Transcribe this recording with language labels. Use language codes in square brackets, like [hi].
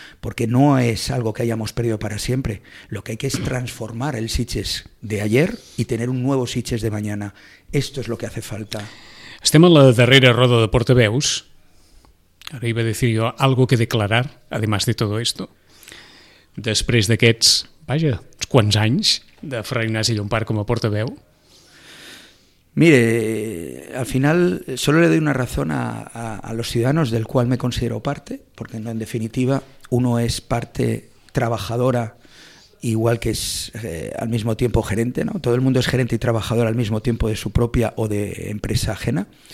[es] Porque no es algo que hayamos perdido para siempre. Lo que hay que es transformar el Sitges de ayer y tener un nuevo Sitges de mañana. Esto es lo que hace falta. [ca] Estem en la darrera roda de portaveus. [es] Ara iba a decir yo algo que declarar, además de todo esto. [ca] Després d'aquests, vaja, quants anys de Fra Ignasi Llompart com a portaveu. [es] Mire, al final solo le doy una razón a los ciudadanos del cual me considero parte, porque en definitiva uno es parte trabajadora igual que es al mismo tiempo gerente, ¿no? Todo el mundo es gerente y trabajador al mismo tiempo de su propia o de empresa ajena.